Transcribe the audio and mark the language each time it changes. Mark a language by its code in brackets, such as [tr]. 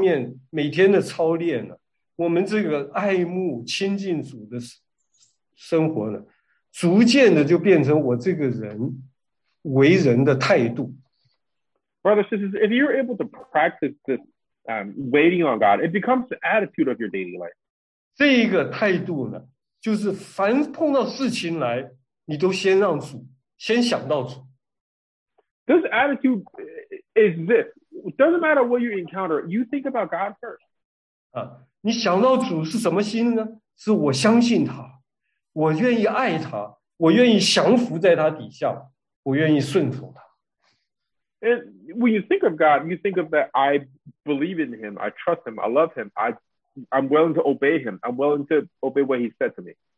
[zh] 弟兄姊妹，如果我们有了上面每天的操练呢？我们这个爱慕亲近主的生活呢，逐渐的就变成我这个人为人的态度。 [en] Brothers and sisters, if you're able to practice this waiting on God, it becomes the attitude of your daily life. [zh] 这一个态度呢，就是凡碰到事情来，你都先让主，先想到主。 [en] This attitude is this. It doesn't matter what you encounter, you think about God first. [zh] 你想到主是什么心呢? 是我相信他，我愿意爱他，我愿意降服在他底下，我愿意顺服他。 [en] And when you think of God, you think of that I believe in him, I trust him, I love him, I'm willing to obey him, I'm willing to obey what he said to me.